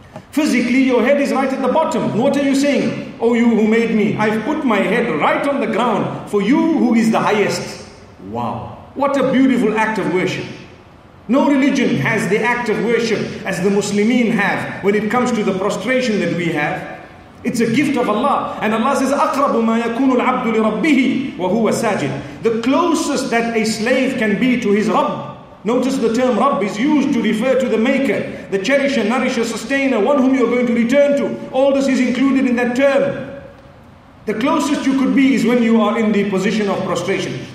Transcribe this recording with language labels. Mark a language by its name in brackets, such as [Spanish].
[English] Physically, your head is right at the bottom. What are you saying? Oh, you who made me, I've put my head right on the ground for you who is the highest. Wow. What a beautiful act of worship. No religion has the act of worship as the Muslimin have when it comes to the prostration that we have. It's a gift of Allah. And Allah says, [Arabic] أَقْرَبُ مَا يَكُونُ الْعَبْدُ لِرَبِّهِ وَهُوَ سَاجِدٍ. [English] The closest that a slave can be to his Rabb. Notice the term Rabb is used to refer to the Maker, the Cherisher, Nourisher, Sustainer, one whom you're going to return to. All this is included in that term. The closest you could be is when you are in the position of prostration.